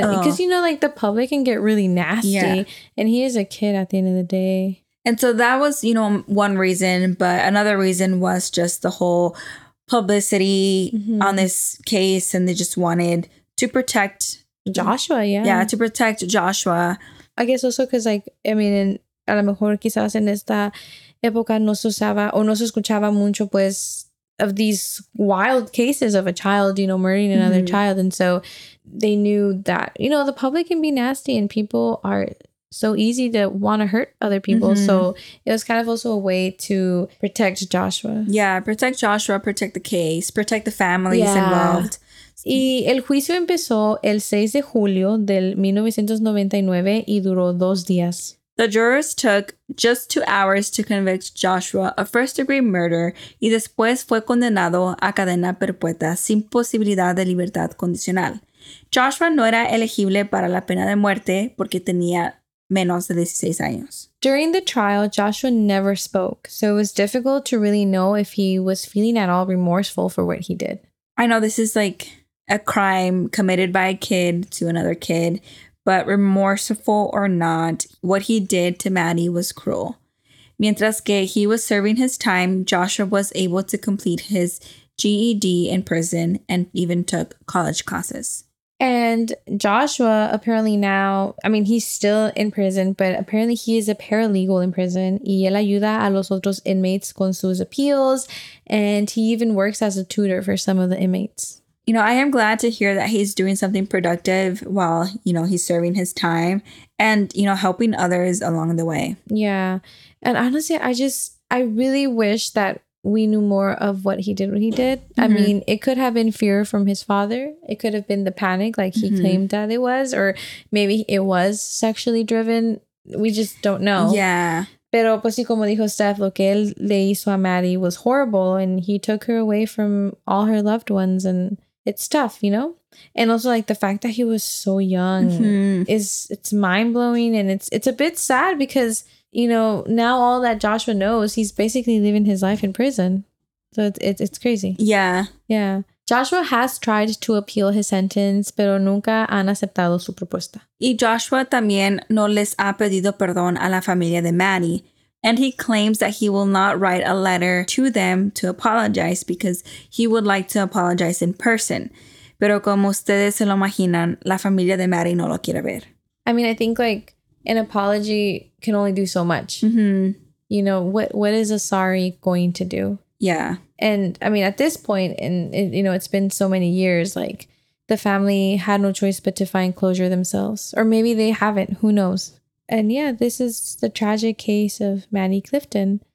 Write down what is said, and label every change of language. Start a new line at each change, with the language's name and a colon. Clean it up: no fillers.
English: Because, you know, like, the public can get really nasty. Yeah. And he is a kid at the end of the day. And so that was, you know, one reason. But another reason was just the whole publicity on this case. And they just wanted to protect... Joshua, yeah. Yeah, to protect Joshua. I guess also because, like, I mean, in,
Spanish: a lo mejor quizás en esta época no se usaba o no se escuchaba mucho, pues...
English: of these wild cases of a child, you know, murdering another child. And so they knew that, you know, the public can be nasty and people are so easy to want to hurt other people. Mm-hmm. So it was kind of also a way to protect Joshua. Yeah, protect Joshua, protect the case, protect the families involved.
Spanish: Y el juicio empezó el 6 de julio del 1999 y duró dos días.
English: The jurors took just 2 hours to convict Joshua of first-degree murder
Spanish: y después fue condenado a cadena perpetua sin posibilidad de libertad condicional. Joshua no era elegible para la pena de muerte porque tenía menos de 16 años.
English: During the trial, Joshua never spoke, so it was difficult to really know if he was feeling at all remorseful for what he did. I know this is like a crime committed by a kid to another kid, but remorseful or not, what he did to Maddie was cruel.
Spanish: Mientras que
English: he was serving his time, Joshua was able to complete his GED in prison and even took college classes. And Joshua apparently now, I mean, he's still in prison, but apparently he is a paralegal in prison.
Spanish: Y él ayuda a los otros inmates con sus appeals.
English: And he even works as a tutor for some of the inmates. You know, I am glad to hear that he's doing something productive while, you know, he's serving his time and, you know, helping others along the way. Yeah. And honestly, I really wish that we knew more of what he did when he did. Mm-hmm. I mean, it could have been fear from his father. It could have been the panic like he claimed that it was, or maybe it was sexually driven. We just don't know. Yeah.
Spanish: Pero pues sí, como dijo Steph, lo que él le hizo a Maddie
English: was horrible and he took her away from all her loved ones and it's tough, you know? And also like the fact that he was so young is mind-blowing and it's a bit sad because, you know, now all that Joshua knows, he's basically living his life in prison. So it's crazy. Yeah. Yeah. Joshua has tried to appeal his sentence,
Spanish: pero nunca han aceptado su propuesta. Y Joshua también no les ha pedido perdón a la familia de Maddie.
English: And he claims that he will not write a letter to them to apologize because he would like to apologize in person.
Spanish: Pero como ustedes se lo imaginan, la familia de Maddie no lo quiere ver.
English: I mean, I think like an apology can only do so much. Mm-hmm. You know, what is a sorry going to do? Yeah. And I mean, at this point, and it, you know, it's been so many years, like the family had no choice but to find closure themselves. Or maybe they haven't. Who knows? And yeah, this is the tragic case of Maddie Clifton.